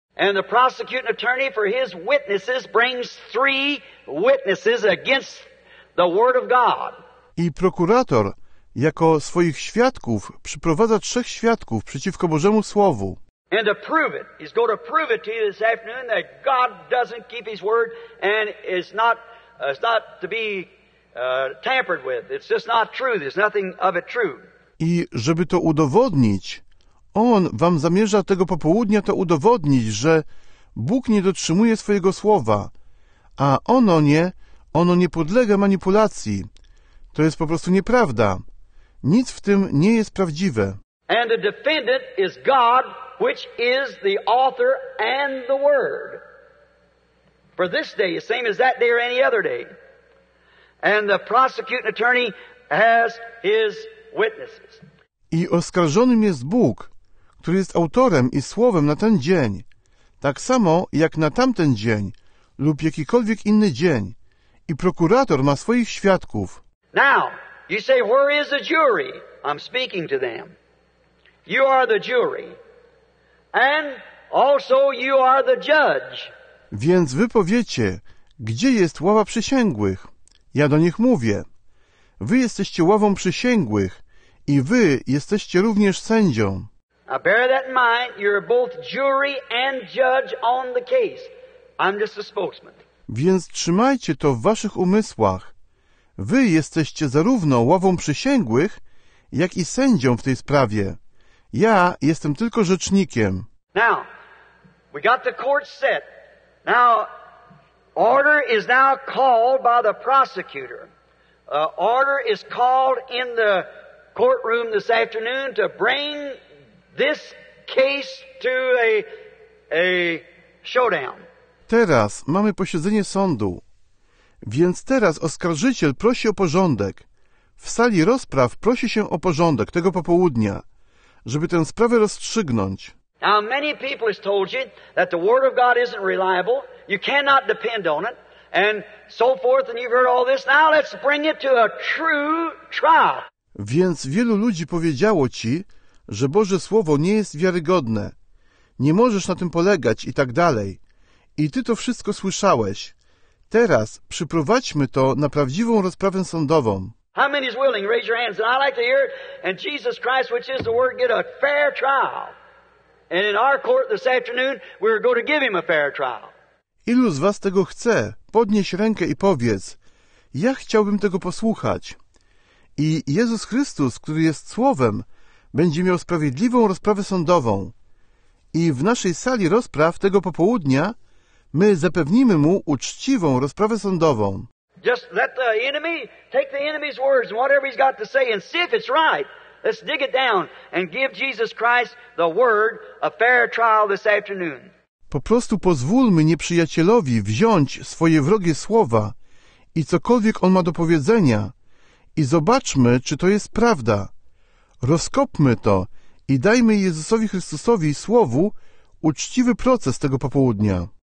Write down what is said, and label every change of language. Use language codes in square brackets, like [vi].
[en] And the prosecuting attorney for his witnesses brings three witnesses against the word of God. [pl] I prokurator jako swoich świadków przyprowadza trzech świadków przeciwko Bożemu Słowu. [en] And to prove it, he's going to prove it to you this afternoon that God doesn't keep his word and it's not to be tampered with. It's just not true. There's nothing of it true. [pl] I żeby to udowodnić, On wam zamierza tego popołudnia to udowodnić, że Bóg nie dotrzymuje swojego słowa, a ono nie podlega manipulacji. To jest po prostu nieprawda. Nic w tym nie jest prawdziwe. [en] And the defendant is God, which is the author and the word. For this day, the same as that day or any other day. And the prosecuting attorney has his witnesses. [pl] I oskarżonym jest Bóg, który jest autorem i słowem na ten dzień, tak samo jak na tamten dzień lub jakikolwiek inny dzień. I prokurator ma swoich świadków. [en] Now, you say, where is the jury? I'm speaking to them. You are the jury. And also you are the judge. [pl] Więc wy powiecie, gdzie jest ława przysięgłych? Ja do nich mówię. Wy jesteście ławą przysięgłych i wy jesteście również sędzią. [en] Now bear that in mind, you're both jury and judge on the case. I'm just a spokesman. [pl] Więc trzymajcie to w waszych umysłach. Wy jesteście zarówno ławą przysięgłych, jak i sędzią w tej sprawie. Ja jestem tylko rzecznikiem. [en] Now, we got the court set. Now, order is now called by the prosecutor. Order is called in the courtroom this afternoon to bring this case to a showdown. [pl] Teraz mamy posiedzenie sądu. Więc teraz oskarżyciel prosi o porządek. W sali rozpraw prosi się o porządek tego popołudnia, żeby tę sprawę rozstrzygnąć. [en] Now many people have told you that the word of God isn't reliable, you cannot depend on it, and so forth, and you've heard all this. Now let's bring it to a true trial. [pl] Więc wielu ludzi powiedziało ci, że Boże Słowo nie jest wiarygodne. Nie możesz na tym polegać i tak dalej. I ty to wszystko słyszałeś. Teraz przyprowadźmy to na prawdziwą rozprawę sądową. [en] How many is willing? Raise your hands. And I'd like to hear it. And Jesus Christ, which is the word, get a fair trial. And in our court this afternoon, we're going to give him a fair trial. [pl] Ilu z was tego chce? Podnieś rękę i powiedz: ja chciałbym tego posłuchać. I Jezus Chrystus, który jest Słowem, będzie miał sprawiedliwą rozprawę sądową. I w naszej sali rozpraw tego popołudnia my zapewnimy mu uczciwą rozprawę sądową. [en] Just let the enemy take the enemy's words and whatever he's got to say and see if it's right. Let's dig it down and give Jesus Christ the word a fair trial this afternoon. [pl] Po prostu pozwólmy nieprzyjacielowi wziąć swoje wrogie słowa i cokolwiek on ma do powiedzenia i zobaczmy, czy to jest prawda. Rozkopmy to i dajmy Jezusowi Chrystusowi słowu uczciwy proces tego popołudnia.